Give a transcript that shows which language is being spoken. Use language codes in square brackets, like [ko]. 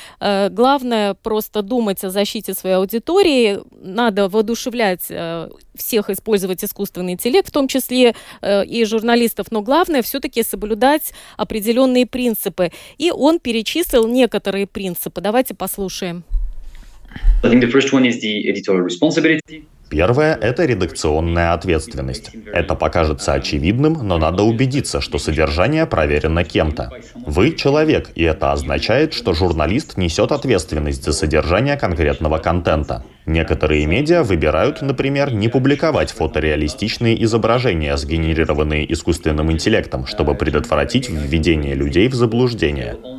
[ru] Главное просто думать о защите своей аудитории. Надо воодушевлять всех использовать искусственный интеллект, в том числе и журналистов. Но главное все-таки соблюдать определенные принципы. И он перечислил некоторые принципы. Давайте послушаем. [en] I think the first one is the editorial responsibility. [ru] Первое – это редакционная ответственность. Это покажется очевидным, но надо убедиться, что содержание проверено кем-то. Вы – человек, и это означает, что журналист несет ответственность за содержание конкретного контента. Некоторые медиа выбирают, например, не публиковать фотореалистичные изображения, сгенерированные искусственным интеллектом, чтобы предотвратить введение людей в заблуждение.